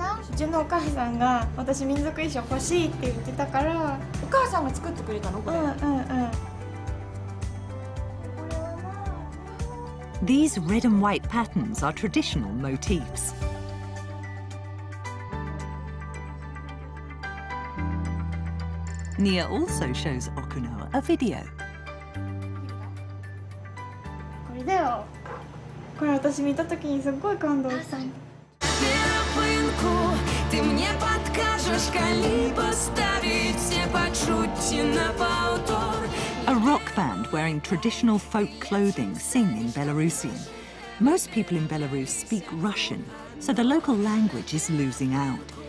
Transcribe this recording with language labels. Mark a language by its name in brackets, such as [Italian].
[Japanese] うちのお母さんが私民族衣装欲しいって言ってたから、お母さんが作ってくれたのこれ。うんうんうん。 [English] These red and white patterns are traditional motifs. Nia also shows Okano a video. [Japanese] これだよ。これ私見たときにすごい感動した。 [Belarusian] Ты мне подкажешь, коли поставить все почутти на повтор. [English] A rock band wearing traditional folk clothing sing in Belarusian. Most people in Belarus speak Russian, so the local language is losing out.